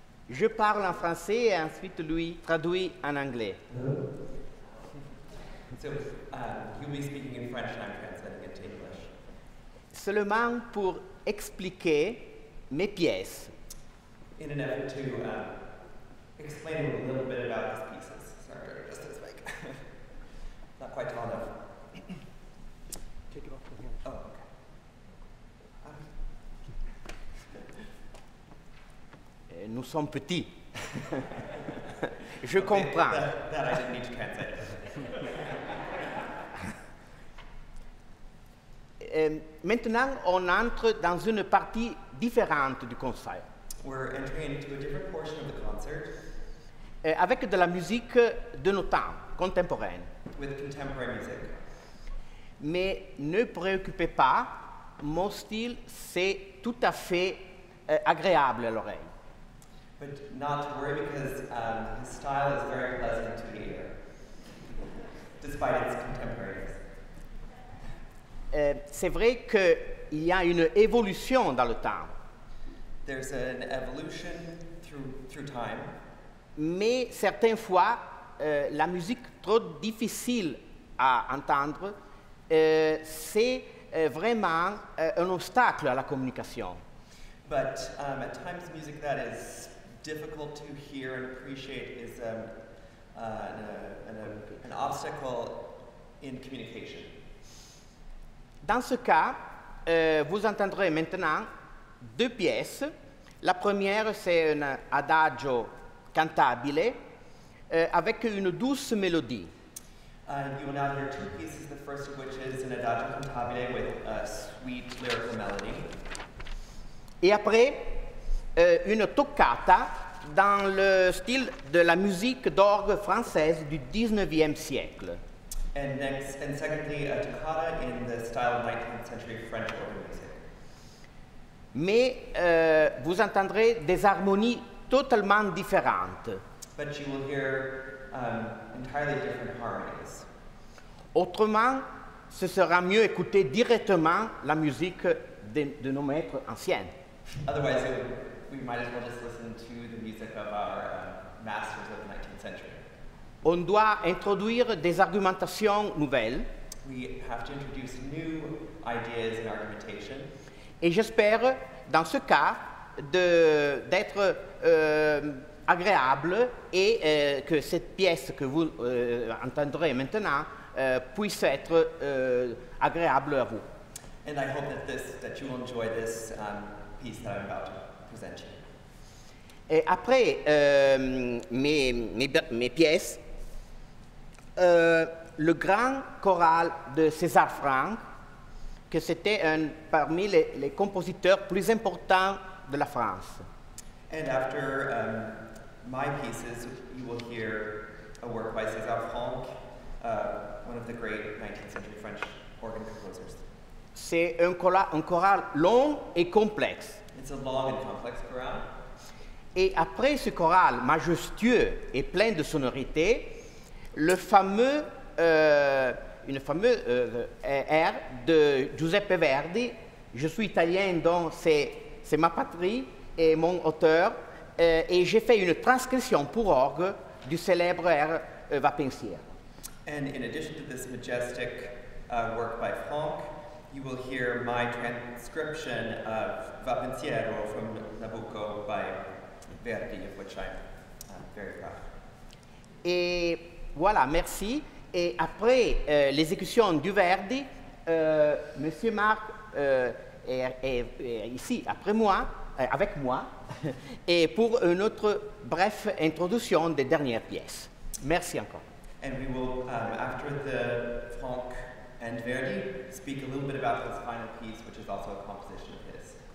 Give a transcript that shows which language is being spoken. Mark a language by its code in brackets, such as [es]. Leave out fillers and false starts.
[fr] Je parle en français et ensuite lui traduit en anglais. [en] So, you'll be speaking in French and I'm translating into English. [fr] Seulement pour expliquer mes pièces. [en] In an effort to explain a little bit about these pieces. Sorry, just as like, not quite tall enough. Take it off from here. Oh, okay. [fr] Nous sommes petits. Je comprends. [en] That I didn't need to translate. [fr] Maintenant, on entre dans une partie différente du concert. [en] We're entering into a different portion of the concert. [fr] Avec de la musique de nos temps, contemporaine. [en] With contemporary music. [fr] Mais ne préoccupez pas, mon style, c'est tout à fait agréable à l'oreille. [en] But not to worry because his style is very pleasant to hear, despite its contemporaries. [fr] C'est vrai qu'il y a une évolution dans le temps. [en] There's an evolution through time. [fr] Mais certaines fois, la musique trop difficile à entendre, c'est vraiment un obstacle à la communication. [en] But at times music that is difficult to hear and appreciate is an obstacle in communication. [fr] Dans ce cas, vous entendrez maintenant deux pièces. La première, c'est un adagio cantabile avec une douce mélodie. [en] You will now hear two pieces, the first of which is an adagio cantabile with a sweet lyrical melody. [fr] Et après, une toccata dans le style de la musique d'orgue française du 19e siècle. [en] And secondly, a toccata in the style of 19th century French organ music. [fr] Mais vous entendrez des harmonies totalement différentes. [en] But you will hear entirely different harmonies. [fr] Autrement, ce sera mieux écouter directement la musique de nos maîtres anciens. [en] Otherwise, we might as well just listen to the music of our masters of the 19th century. [fr] On doit introduire des argumentations nouvelles. [en] We have to introduce new ideas and argumentation. [fr] Et j'espère, dans ce cas, d'être agréable et que cette pièce que vous entendrez maintenant puisse être agréable à vous. [en] And I hope that you will enjoy this piece that I'm about to present you. [fr] Et après mes pièces, le grand choral de César Franck, que c'était un parmi les compositeurs plus importants de la France. [en] And after my pieces, you will hear a work by César Franck, one of the great 19th century French organ composers. [fr] C'est un choral long et complexe. [en] It's a long and complex choral. [fr] Et après ce choral majestueux et plein de sonorités, le fameux, une fameuse air de Giuseppe Verdi, je suis italien donc c'est ma patrie et mon auteur, et j'ai fait une transcription pour orgue du célèbre air Va pensier. [en] And in addition to this majestic work by Franck, you will hear my transcription of Va pensier from Nabucco by Verdi, of which I'm very proud. [fr] Et voilà, merci. Et après l'exécution du Verdi, Monsieur Marc est ici après moi, avec moi, et pour une autre brève introduction des dernières pièces. Merci encore. [en] And we will, after the Franck and Verdi, speak a little bit about this final piece, which is also a composition of his.